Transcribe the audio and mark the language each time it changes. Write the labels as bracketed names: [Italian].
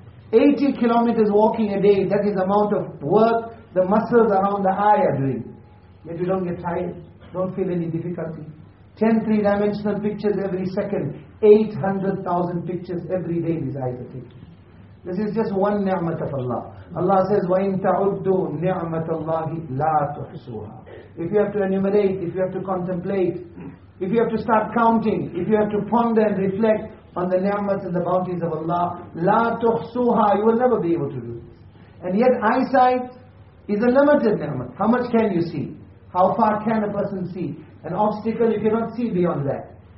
[English] 80 kilometers walking a day, that is the amount of work the muscles around the eye are doing. Yet you don't get tired, don't feel any difficulty. 10 three-dimensional pictures every second, 800,000 pictures every day these eyes are taking. This is just one ni'mat of Allah. [Arabic] Allah says, وَإِن تَعُدُّوا نِعْمَةَ اللَّهِ لَا تُحْصُوهَا. [English] If you have to enumerate, if you have to contemplate, if you have to start counting, if you have to ponder and reflect on the ni'mat and the bounties of Allah, لَا تُحْصُوهَا, you will never be able to do this. And yet eyesight is a limited ni'mat. How much can you see? How far can a person see? An obstacle, you cannot see beyond that.